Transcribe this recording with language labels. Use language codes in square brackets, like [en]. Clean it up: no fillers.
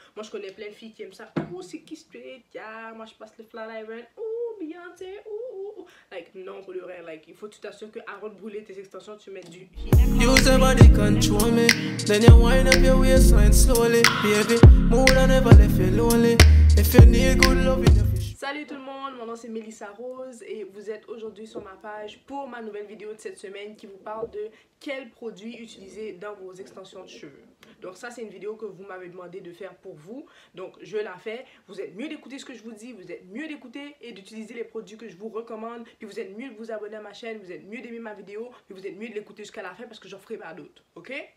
[fr] Moi, je connais plein de filles qui aiment ça. Oh, c'est qui Street? Yeah, moi, je passe le Flatiron. Oh, Beyoncé. Oh, oh, oh. Like, non, pour le vrai. Like, il faut que tu t'assures que avant de brûler tes extensions, tu mets du [en] heat. Use your body control me. Then you wind up your waistline slowly, baby. Moula never left you lonely. If you need good love, you [fr] Salut tout le monde, mon nom c'est Mélissa Rose et vous êtes aujourd'hui sur ma page pour ma nouvelle vidéo de cette semaine qui vous parle de quels produits utiliser dans vos extensions de cheveux. Donc ça c'est une vidéo que vous m'avez demandé de faire pour vous, donc je la fais. Vous êtes mieux d'écouter ce que je vous dis, vous êtes mieux d'écouter et d'utiliser les produits que je vous recommande, puis vous êtes mieux de vous abonner à ma chaîne, vous êtes mieux d'aimer ma vidéo, puis vous êtes mieux de l'écouter jusqu'à la fin parce que j'en ferai pas d'autres, ok?